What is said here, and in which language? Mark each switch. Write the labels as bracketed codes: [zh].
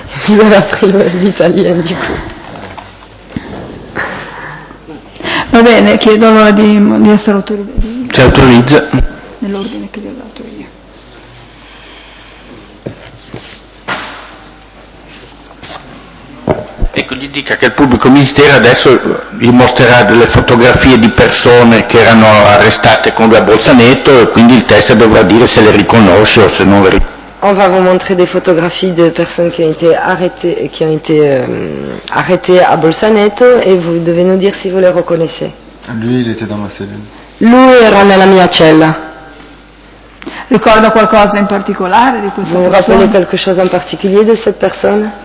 [fr] Vous avez appris l'italien du coup. [it] Va bene, chiedo allora di essere autorizzato. Ci autorizza. Nell'ordine che gli ho dato io. Ecco, gli dica che il pubblico ministero adesso gli mostrerà delle fotografie di persone che erano arrestate con lui a Bolzaneto e quindi il tester dovrà dire se le riconosce o se non le riconosce. [fr] On va vous montrer des photographies de personnes qui ont été arrêtées à Bolzaneto et vous devez nous dire si vous les reconnaissez. Lui, il était dans ma cellule. [it] Lui era nella mia cella. Ricorda qualcosa in particolare di questa persona? [fr] Vous rappelez quelque chose en particulier de cette personne?